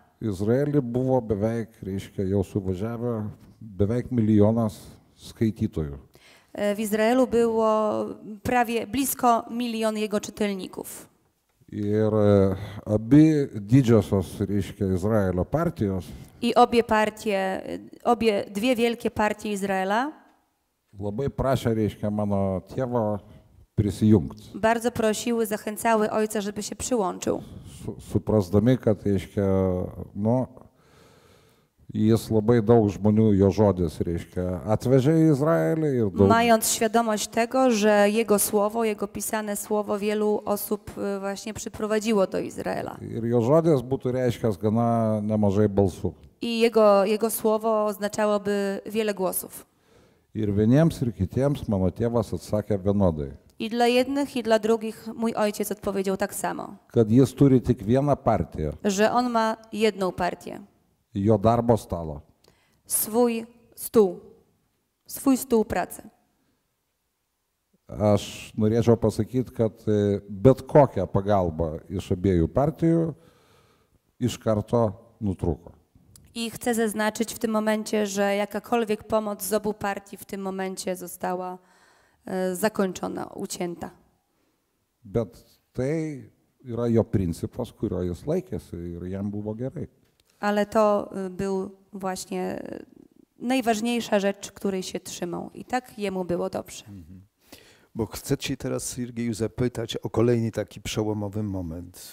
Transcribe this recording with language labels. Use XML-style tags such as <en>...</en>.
<lt>Izraelį buvo beveik, reiškia, jau suvažiavę beveik milijonas skaitytojų.</lt> <pl>W Izraelu było prawie blisko milion jego czytelników.</pl> <lt>Ir abi didžiosios, reiškia, Izraelio partijos.</lt> <pl>I obie partie, obie dwie wielkie partie Izraela.</pl> <lt>Labai prašė, reiškia, mano tėvo prisijungt.</lt> <pl>Bardzo prosiły, zachęcały ojca, żeby się przyłączył.</pl> <lt>Suprasdami, kad, reiškia, no, jis labai daug žmonių, jo žodis, reiškia, atvežė į Izraelį ir daug.</lt> <pl>Mając świadomość tego, że jego słowo, jego pisane słowo wielu osób właśnie przyprowadziło do Izraela.</pl> <lt>Ir jo žodis būtų reiškęs gana nemažai balsų.</lt> <pl>I jego słowo oznaczałoby wiele głosów.</pl> <lt>Ir vieniems, ir kitiems mano tėvas atsakė vienodai.</lt> <pl>I dla jednych, i dla drugich mój ojciec odpowiedział tak samo.</pl> <lt>Kad jis turi tik vieną partiją.</lt> <pl>Że on ma jedną partię.</pl> <lt>Jo darbo stalo.</lt> <pl>Swój stół pracy.</pl> <lt>Aš norėčiau pasakyti, kad bet kokia pagalba iš abiejų partijų iš karto nutrūko.</lt> <pl>I chcę zaznaczyć w tym momencie, że jakakolwiek pomoc z obu partii w tym momencie została zakończona, ucięta.</pl> <lt>Bet tai yra jo principas, kurio jis laikėsi ir jam buvo gerai.</lt> <pl>Ale to był właśnie najważniejsza rzecz, której się trzymał. I tak jemu było dobrze. Bo chcę ci teraz, Sergeju, zapytać o kolejny taki przełomowy moment.</pl>